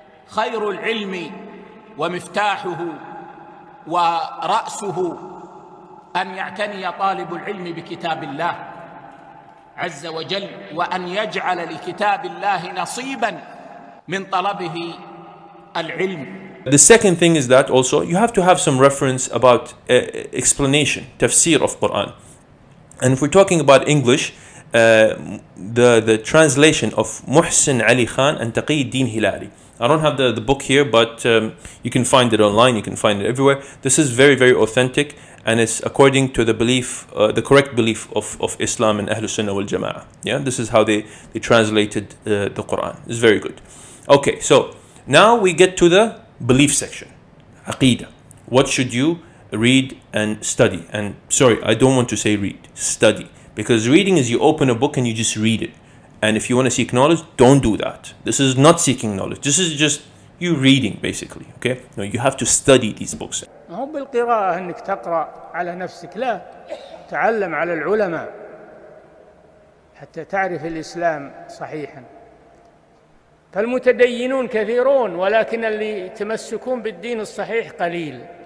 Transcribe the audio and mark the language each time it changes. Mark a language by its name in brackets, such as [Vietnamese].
[Arabic] خير العلم ومفتاحه ورأسه أن يعتني طالب العلم بكتاب الله عز وجل وأن يجعل لكتاب الله نصيبا من طلبه العلم. [English] The second thing is that also you have to have some reference about explanation, tafsir of Quran. And if we're talking about English, the translation of Muhsin Ali Khan and Taqiyuddin Hilali. I don't have the book here, but you can find it online. You can find it everywhere. This is very, very authentic, and it's according to the belief, the correct belief of Islam and Ahlul Sunnah wal Jama'ah. Yeah, this is how they translated the Quran. It's very good. Okay, so now we get to the belief section, Aqeedah. What should you read and study? And sorry, I don't want to say read, study. Because reading is you open a book and you just read it. And if you want to seek knowledge, don't do that. This is not seeking knowledge. This is just you reading, basically. Okay? No, you have to study these books. [Arabic] مو بالقراءة إنك تقرأ على نفسك لا تعلم على العلماء حتى تعرف الإسلام صحيحا. فالمتدينون كثيرون ولكن اللي يتمسكون بالدين الصحيح قليل.